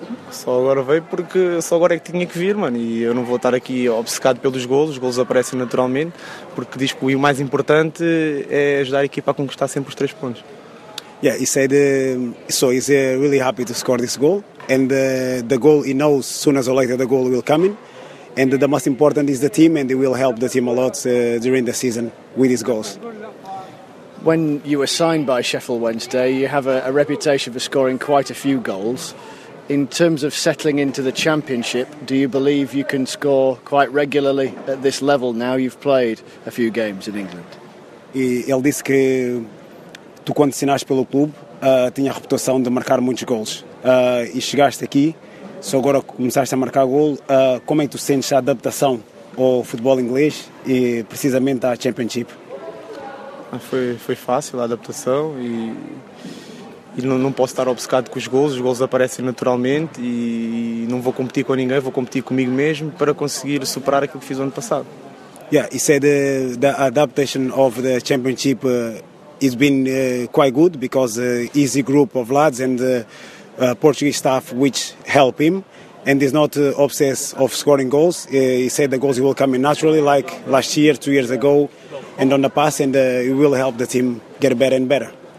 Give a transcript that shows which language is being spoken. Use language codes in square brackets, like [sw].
[pt] Só agora veio porque só agora é que tinha que vir, mano, e eu não vou estar aqui obcecado pelos golos, os golos aparecem naturalmente, porque diz que o mais importante é ajudar a equipa a conquistar sempre os três pontos. [en] Yeah, he said, so he's really happy to score this goal, and the goal he knows sooner or later the goal will come in, and the most important is the team, and he will help the team a lot during the season with his goals. When you were signed by Sheffield Wednesday, you have a reputation for scoring quite a few goals. In terms of settling into the Championship, do you believe you can score quite regularly at this level now you've played a few games in England? [pt] E ele disse que tu, quando assinaste pelo clube, tinha a reputação de marcar muitos gols. E chegaste aqui, só agora começaste a marcar gol. Como é que tu sentes a adaptação ao futebol inglês e precisamente à Championship? Foi fácil a adaptação e não posso estar obcecado com os golos aparecem naturalmente e não vou competir com ninguém, vou competir comigo mesmo para conseguir superar aquilo que fiz ano passado. [en] Yeah, he said the adaptation of the Championship has been quite good because easy group of lads and Portuguese staff which help him and is not obsessed of scoring goals. He said the goals will come in naturally like last year, 2 years ago and on the pass, and he will help the team get better and better.